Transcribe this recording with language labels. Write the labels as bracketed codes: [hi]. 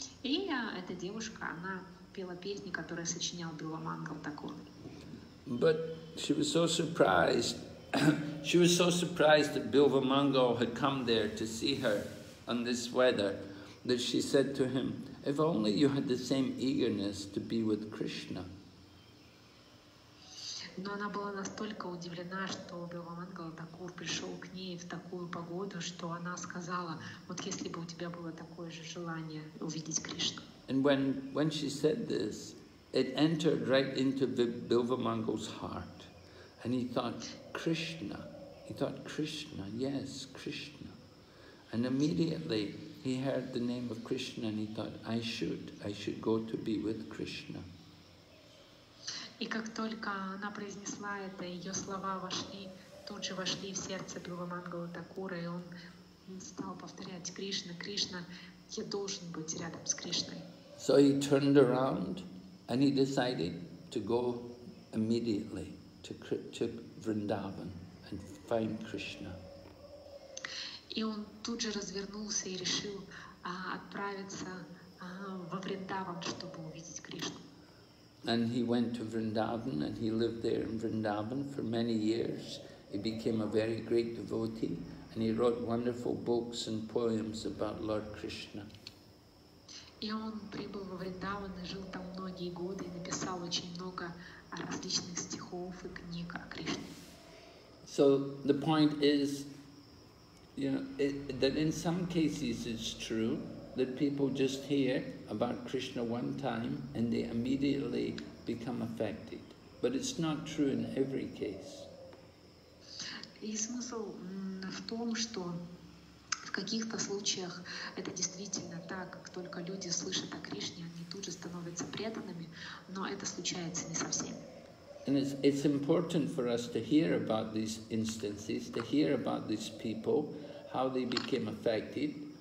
[ru] И эта девушка, она пела песни, которые сочинял Билла Мангал такой. [en] But she was so surprised. She was so surprised that Bilva Mangal had come there to see her on this weather that she said to him, if only you had the same eagerness to be with Krishna. [ru] Но она была настолько удивлена, что Бхагава Мангала Такур пришел к ней в такую погоду, что она сказала, вот если бы у тебя было такое же желание увидеть Кришну. [en] And when she said this, it entered right into Bhilva Mangal's heart. And he thought, Krishna. He thought, Krishna, yes, Krishna. And immediately he heard the name of Krishna and he thought, I should go to be with Krishna. [ru] И как только она произнесла это, ее слова вошли, тут же вошли в сердце Бхилы Мангала Такура, и он стал повторять: «Кришна, Кришна, я должен быть рядом с Кришной». [en] So he turned around and he decided to go immediately to Vrindavan and find Krishna. [ru] И он тут же развернулся и решил отправиться во Вриндаван, чтобы увидеть Кришну. [en] And he went to Vrindavan and he lived there in Vrindavan for many years. He became a very great devotee and he wrote wonderful books and poems about Lord Krishna. [ru] И он прибыл во Вриндаван и жил там многие годы и написал очень много различных стихов и книг о Кришне. [en] So the point is, you know, that in some cases it's true that people just hear about Krishna one time and they immediately become affected. But it's not true in every case. [ru] И смысл в том, что в каких-то случаях это действительно так, как только люди слышат о Кришне, они тут же становятся преданными, но это случается не со всеми. [en] And it's important for us to hear about these instances, to hear about these people, how they became affected.